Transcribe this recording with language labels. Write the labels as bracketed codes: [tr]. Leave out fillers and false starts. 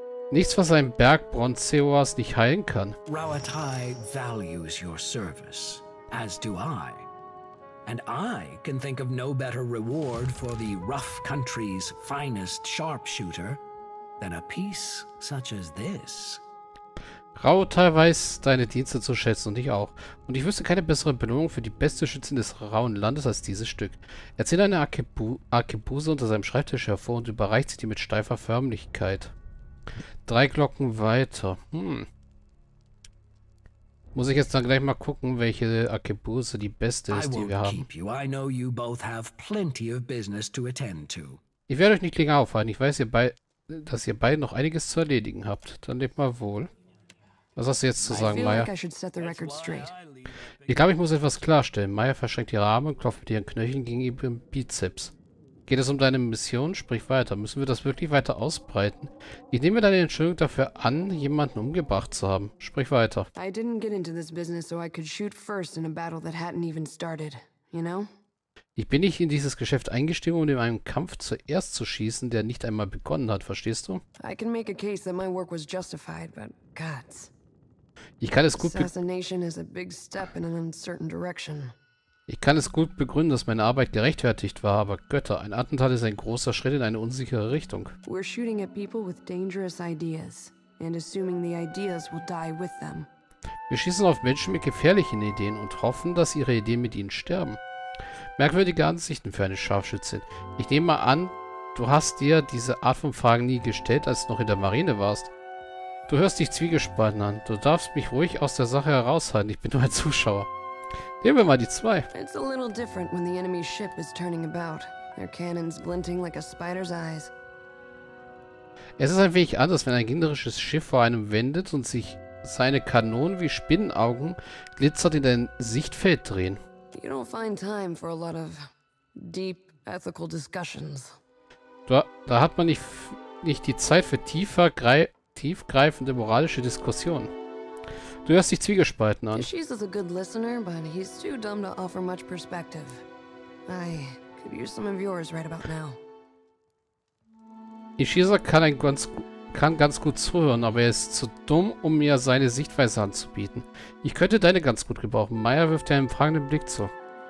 [de] Nichts, was ein Berg Bronzeoas nicht heilen kann. [en] Rauatai values your service, as do I. And I can think of no better reward for the rough country's finest sharpshooter than a piece such as this. [de] Rauatai weiß deine Dienste zu schätzen und ich auch. Und ich wüsste keine bessere Belohnung für die beste Schützin des rauen Landes als dieses Stück. Er zieht eine Arkebuse unter seinem Schreibtisch hervor und überreicht sie dir mit steifer Förmlichkeit. Drei Glocken weiter. Muss ich jetzt dann gleich mal gucken, welche Arkebuse die beste ist, die wir haben. Ich werde euch nicht länger aufhalten. Ich weiß, dass ihr beide noch einiges zu erledigen habt. Dann lebt mal wohl. Was hast du jetzt zu sagen, Maya? Ich glaube, ich muss etwas klarstellen. Maya verschränkt ihre Arme und klopft mit ihren Knöcheln gegen ihren Bizeps. Geht es um deine Mission? Sprich weiter. Müssen wir das wirklich weiter ausbreiten? Ich nehme deine Entschuldigung dafür an, jemanden umgebracht zu haben. Sprich weiter. [en] I didn't get into this business so I could shoot first in a battle that hadn't even started, you know? [de] Ich bin nicht in dieses Geschäft eingestiegen, um in einem Kampf zuerst zu schießen, der nicht einmal begonnen hat, verstehst du? [en] I can make a case that my work was justified, but gods. [de] Ich kann es gut [en] Assassination is a big step in an uncertain direction. [de] Ich kann es gut begründen, dass meine Arbeit gerechtfertigt war, aber Götter, ein Attentat ist ein großer Schritt in eine unsichere Richtung. [en] We're shooting at people with dangerous ideas, and assuming the ideas will die with them. [de] Wir schießen auf Menschen mit gefährlichen Ideen und hoffen, dass ihre Ideen mit ihnen sterben. Merkwürdige Ansichten für eine Scharfschützin. Ich nehme mal an, du hast dir diese Art von Fragen nie gestellt, als du noch in der Marine warst. Du hörst dich zwiegespalten an. Du darfst mich ruhig aus der Sache heraushalten. Ich bin nur ein Zuschauer. Nehmen wir mal die zwei. [en] It's a little different when the enemy's ship is turning about. Their cannons glinting like a spider's eyes. [de] Es ist ein wenig anders, wenn ein gegnerisches Schiff vor einem wendet und sich seine Kanonen wie Spinnenaugen glitzert in dein Sichtfeld drehen. [en] You don't find time for a lot of deep ethical discussions. [de] Da hat man nicht die Zeit für tiefgreifende moralische Diskussionen. Du hörst dich zwiegespalten an. [en] Tishis is a good listener, but he's too dumb to offer much perspective. I could use some of yours right about now. [de] Ishiza kann ganz gut zuhören, aber er ist zu dumm, um mir seine Sichtweise anzubieten. Ich könnte deine ganz gut gebrauchen. Maya wirft dir einen fragenden Blick zu.